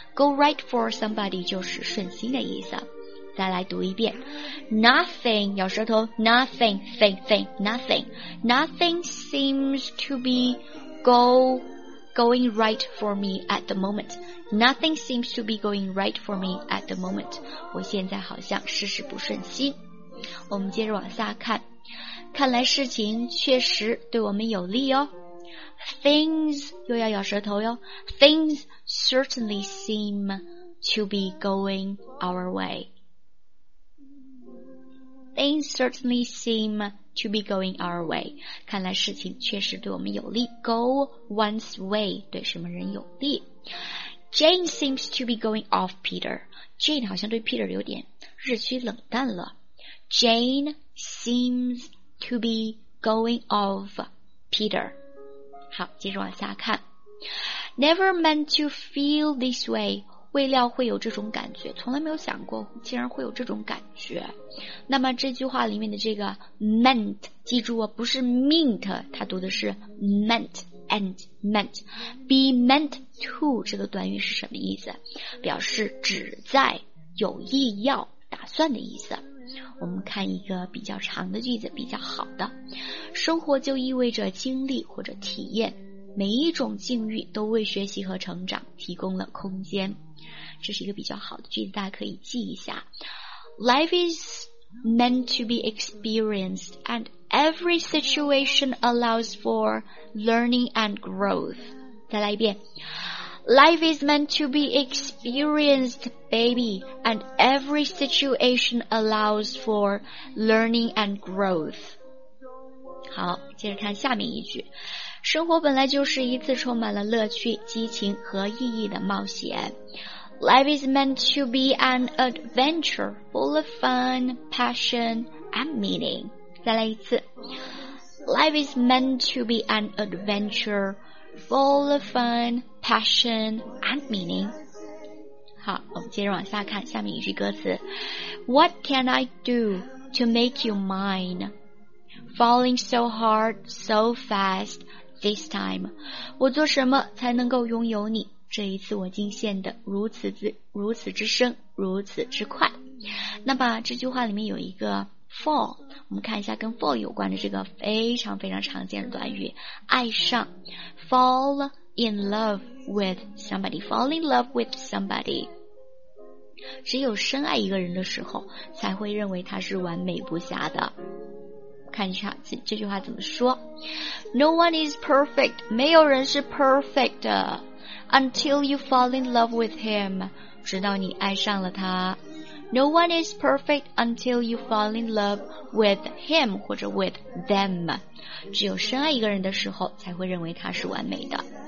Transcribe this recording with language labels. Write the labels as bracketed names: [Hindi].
[English] Go right for somebody [Chinese] 就是顺心的意思。再来读一遍 [English] ，nothing [Chinese] 咬舌头 [English] ，nothing thing thing nothing nothing seems to be going right for me at the moment. Nothing seems to be going right for me at the moment. [Chinese] 我现在好像事事不顺心。我们接着往下看，看来事情确实对我们有利哦。 Things 又要咬舌头哟。 [English] Things certainly seem to be going our way. Things certainly seem to be going our way. [Chinese] 看来事情确实对我们有利。 [English] Go one's way [Chinese] 对什么人有利。 [English] Jane seems to be going off Peter. [Chinese] Jane 好像对 Peter 有点日趋冷淡了。 [English] Jane seems to be going off Peter. [Chinese] 好，接着往下看。 [English] Never meant to feel this way. [Chinese] 未料会有这种感觉，从来没有想过竟然会有这种感觉。那么这句话里面的这个 meant， 记住哦，不是 meant， 它读的是 meant and meant。 be meant to 这个短语是什么意思？表示旨在、有意要、打算的意思。我们看一个比较长的句子，比较好的。生活就意味着经历或者体验，每一种境遇都为学习和成长提供了空间。这是一个比较好的句子，大家可以记一下。 [English] Life is meant to be experienced and every situation allows for learning and growth. [Chinese] 再来一遍。 [English] Life is meant to be experienced, baby, and every situation allows for learning and growth. [Chinese] 好，接着看下面一句。生活本来就是一次充满了乐趣、激情和意义的冒险。 [English] Life is meant to be an adventure full of fun, passion, and meaning. [Chinese] 再来一次。 [English] Life is meant to be an adventure full of fun, passion, and meaning. [Chinese] 好，我们接着往下看下面一句歌词。 [English] What can I do to make you mine? Falling so hard, so fast, this time. [Chinese] 我做什么才能够拥有你？这一次我惊现的如此之深，如此之快。那么这句话里面有一个 fall， 我们看一下跟 fall 有关的这个非常非常常见的短语，爱上 ， [English] fall in love with somebody，fall in love with somebody。 [Chinese] 只有深爱一个人的时候，才会认为他是完美无瑕的。看一下这句话怎么说 ， [English] No one is perfect， [Chinese] 没有人是 perfect 的。 [English] Until you fall in love with him, [Chinese] 直到你爱上了他。 [English] No one is perfect until you fall in love with him [Chinese] 或者 [English] with them. [Chinese] 只有深爱一个人的时候才会认为他是完美的。